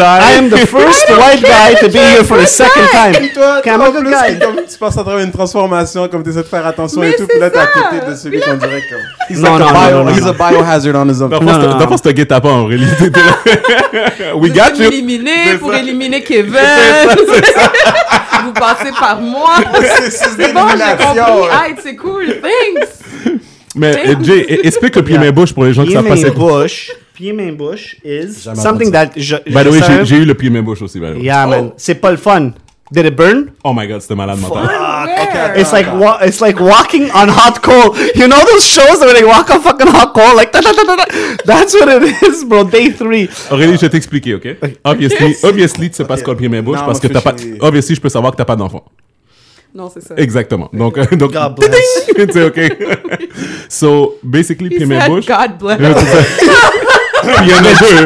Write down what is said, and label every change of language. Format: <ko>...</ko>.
<en>I am the first white guy to be here for the second time. I'm a good guy.</en> <fr>Tu passes à travers une transformation, comme tu essaies de faire attention et tout, puis là, t'as quitté de celui qu'on dirait comme... Non, non, non.</fr> <en>He's a biohazard on his own.</en> <fr>D'abord, c'est un guet-apens, en réalité.</fr> <en>We got you.</en> <fr>Éliminer pour ça. Éliminer Kevin. C'est ça. Vous passez par moi. C'est bon, j'ai compris. Hey, c'est cool. Thanks. Mais Jay, explique le pied-main-bouche pour les gens qui savent pas c'est quoi.</fr> <en>Pied-main-bouche is something that... By the way,</en> <fr>j'ai eu le pied-main-bouche aussi.</fr> <en>Yeah, man.</en> <fr>C'est pas le fun.</fr> <en>Did it burn? Oh my god,</en> <fr>c'était malade mental.</fr> <en>It's like walking on hot coal. You know those shows where they walk on fucking hot coal? Like, that's what it is, bro. Day 3.</en> <fr>Aurélie, je vais t'expliquer, ok? Obviously, tu sais pas ce qu'on a pris mes bouches parce que t'as pas. Obviously, je peux savoir que t'as pas d'enfant. Non, c'est ça. Exactement. Donc,</fr> <en>God bless. It's okay. So, basically, pris mes bouches. God bless.</en> <fr>Il y en a deux.</fr>